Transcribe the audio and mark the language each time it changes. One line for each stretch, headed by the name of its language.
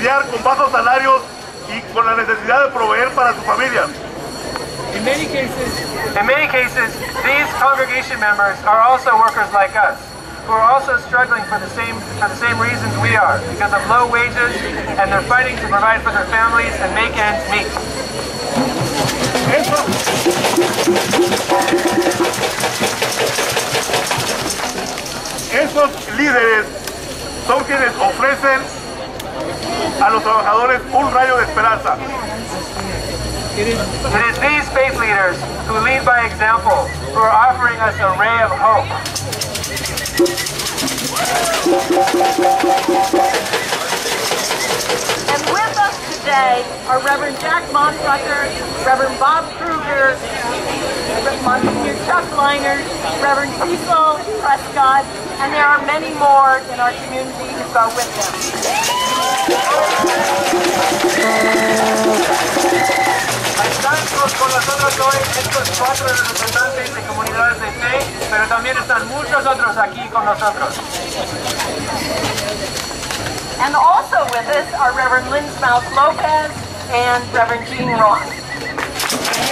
Spanish: Con bajos salarios y con la necesidad de proveer para sus familias.
English: In many cases, these congregation members are also workers like us, who are also struggling for the same reasons we are, because of low wages, and they're fighting to provide for their families and make ends meet.
Spanish: Esos líderes son quienes ofrecen a los trabajadores un rayo de esperanza.
English: It is these faith leaders who lead by example, who are offering us a ray of hope. And with us today are Reverend Jack Mosbrucker, Reverend Bob Krueger, Monsignor Chuck Liner, Reverend Cecil Prescott, and there are many more in our community who go with them.
Spanish: Con nosotros hoy estos cuatro representantes de comunidades de fe, pero también están muchos otros aquí con nosotros.
English: And also with us are Reverend Lynn Smouse Lopez and Reverend Jean Ross.